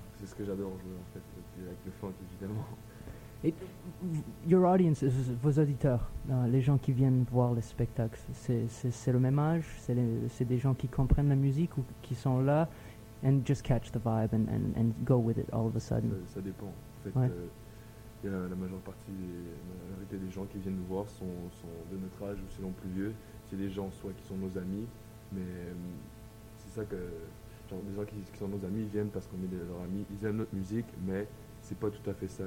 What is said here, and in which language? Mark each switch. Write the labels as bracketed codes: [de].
[fr] C'est ce que j'adore jouer, en fait, avec le funk, évidemment. [en] Your audience, [fr] vos auditeurs, les gens qui viennent voir les spectacles, c'est le même âge? C'est des gens qui comprennent la musique ou qui sont là? [en] And just catch the vibe and go with it all of a sudden. [fr] Ça dépend. En fait, la majorité des gens qui viennent nous voir sont de notre âge ou sinon plus vieux. C'est des gens soit qui sont nos amis, mais c'est ça que... Genre, des gens qui sont nos amis, ils viennent parce qu'on est leurs amis. Ils aiment notre musique, mais c'est pas tout à fait ça.